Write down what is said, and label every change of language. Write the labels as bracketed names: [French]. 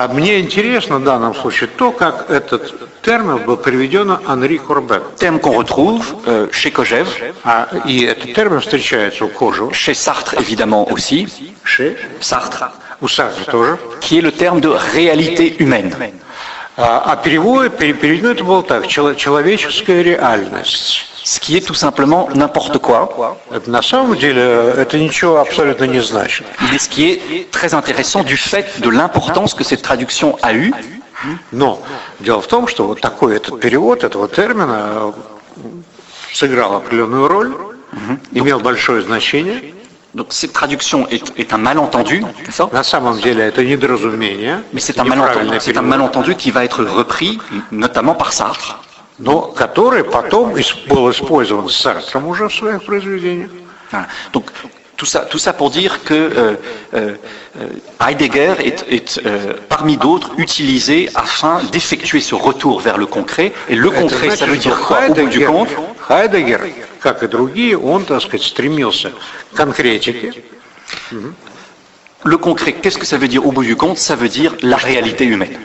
[Russian] Мне интересно, в данном случае, то, как этот термин был приведен Henri Corbin. [French] Terme qu'on retrouve chez Kojève. [Russian] И этот термин встречается у Кожева. [French] Chez Sartre, évidemment, aussi. Chez Sartre. [Russian] У Сартра тоже. [French] Qui est le terme de réalité humaine. [Russian] А переведено это было так, человеческая реальность. [French] Ce qui est tout simplement n'importe quoi. [Russian] На самом деле, это ничего абсолютно не значит. [French] Mais ce qui est très intéressant du fait de l'importance que cette traduction a eue. [Russian] Но дело в том, что вот такой этот перевод этого термина сыграл определенную роль, имел большое значение. [French] Donc cette traduction est un malentendu, c'est ça? [Russian] На самом деле, это недоразумение. [French] Mais c'est un malentendu. C'est un malentendu qui va être repris, notamment par Sartre. [Russian] Но который потом был использован Сартром уже в своих произведениях. [French] Voilà. Donc tout ça pour dire que Heidegger est parmi d'autres utilisé afin d'effectuer ce retour vers le concret. Et le concret, ça veut dire quoi, au bout du compte? [Russian] Heidegger, как и другие, он, так сказать, стремился к конкретике. [French] Le concret, qu'est-ce que ça veut dire au bout du compte? Ça veut dire la réalité humaine.